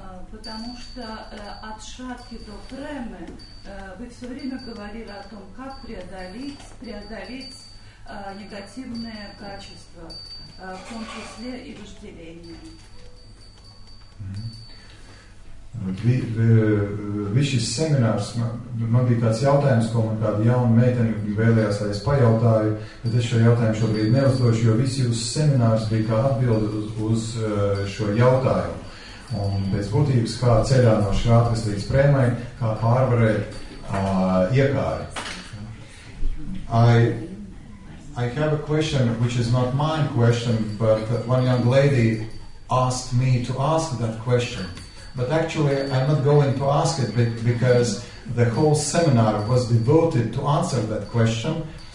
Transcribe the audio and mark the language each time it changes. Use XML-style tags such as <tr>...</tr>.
<ru>Потому что от шатхи до премы вы все время говорили о том, как преодолеть негативные качества.</ru> <lv>Viss šis seminārs, man bija tāds jautājums, ko man kāda jauna meitene vēlējās, lai es pajautāju, bet es šo jautājumu šobrīd neuzdošu, jo viss jūs seminārs bija kā atbilde uz šo jautājumu. Un pēc būtības, kā ceļā no šrātkas līdz prēmai, kā pārvarēt iekāri.</lv> <en>I have a question, which is not my question, but one young lady asked me to ask that question. But actually, I'm not going to ask it, because the whole seminar was devoted to answer that question.</en>